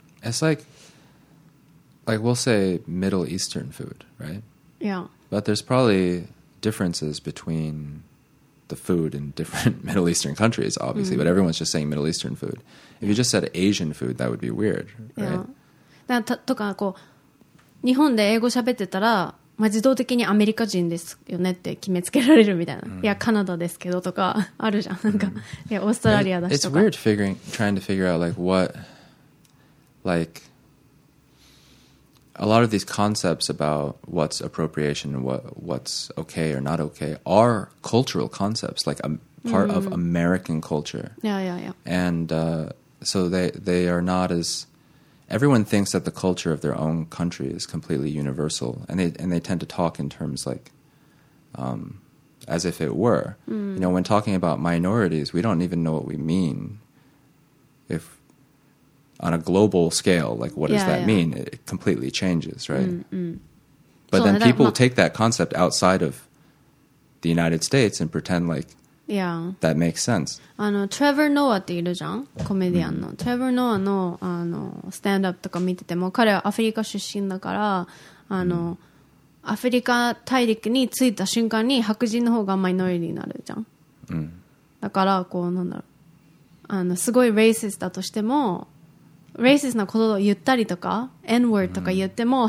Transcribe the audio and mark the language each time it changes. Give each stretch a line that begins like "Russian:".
English: It's like we'll say Middle Eastern food, right? Yeah. But there's probably differences between the food in different Middle Eastern countries, obviously, mm-hmm. but everyone's just saying Middle Eastern food. If you just said Asian food, that would be weird, right? Yeah.
Japanese: とかこう、日本で英語喋ってたら、まあ、自動的にアメリカ人ですよねって決めつけられるみたいな。 Mm-hmm. いや、カナダですけどとかあるじゃん。なんか、mm-hmm. いや、オーストラリアだしとか。
English: It's weird trying to figure out like what... Like, a lot of these concepts about what's appropriation, what's okay or not okay, are cultural concepts, like a part of American culture. Yeah, yeah, yeah. And so they are not as... Everyone thinks that the culture of their own country is completely universal, and they tend to talk in terms like... as if it were. Mm. You know, when talking about minorities, we don't even know what we mean if... On a global scale, like what does that mean? It completely changes, right? Mm-hmm. But then people take that concept outside of the United States and pretend like that makes sense.
Japanese: Trevor Noah っているじゃん、コメディアンの。 Trevor Noah の、スタンドアップとか見てても、彼はアフリカ出身だから、アフリカ大陸に着いた瞬間に白人の方がマイノリティになるじゃん。だから、こう、なんだろう。すごいレイシスだとしても、レイシスなことを言ったりとか N word とか言っても、mm.